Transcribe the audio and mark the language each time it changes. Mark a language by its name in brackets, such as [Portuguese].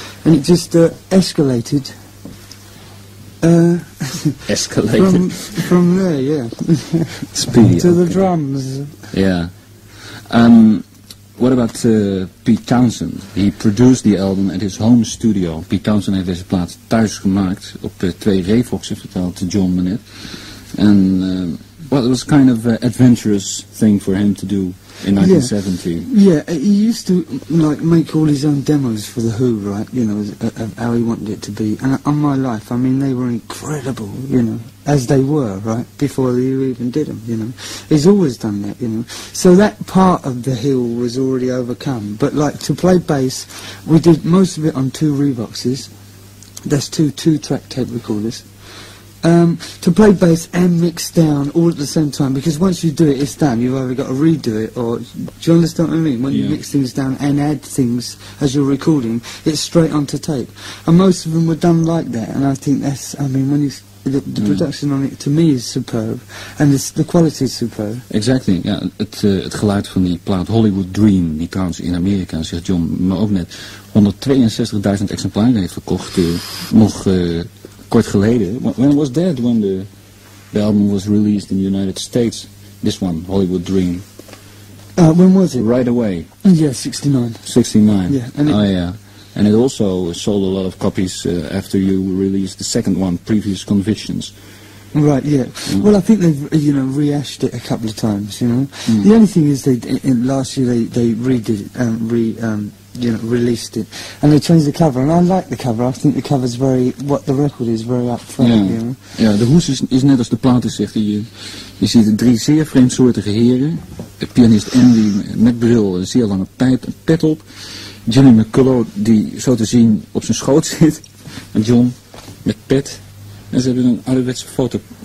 [English] And it just escalated. Escalated? From there, yeah. Speedy. To the drums. Yeah. What about Pete Townshend? He produced the album at his home studio. [Dutch] Pete Townshend heeft deze plaats thuis gemaakt op twee Rayfoxen, vertelt John Manette. [English] En... well, it was kind of an adventurous thing for him to do in 1970. Yeah, he used to, like, make all his own demos for The Who, right, you know, of how he wanted it to be. And on my life, I mean, they were incredible, you know, as they were, right, before he even did them, you know. He's always done that, you know. So that part of The Hill was already overcome. But, like, to play bass, we did most of it on two Revoxes. That's two track tape recorders. To play bass and mix down all at the same time, because once you do it, it's done. You've either got to redo it, or do you understand what I mean? When you mix things down and add things as you're recording, it's straight onto tape. And most of them were done like that, and I think that's, I mean, when you the production on it, to me, is superb, and the quality is superb. [Dutch] Exactly, ja, het geluid van die plaat Hollywood Dream, die trouwens in Amerika, zegt John, maar ook net 162.000 exemplaren heeft verkocht, nog kort geleden. [English] When was that, when the album was released in the United States, this one, Hollywood Dream? When was it? Right away. Yeah, 69. Yeah, and it also sold a lot of copies after you released the second one, Previous Convictions. Right, yeah. Mm. Well, I think they've, you know, re-ashed it a couple of times, you know. Mm. The only thing is last year they released it, and they changed the cover, and I like the cover. I think the cover's very, what the record is, very upfront, you know. [Dutch] Ja, de hoes is net als de platen, zegt hij. Je ziet drie zeer vreemdsoortige heren. De pianist Andy met bril, een zeer lange pijp, een pet op. Jimmy McCullough, die zo te zien op zijn schoot zit. En John met pet. En ze hebben een ouderwetse foto.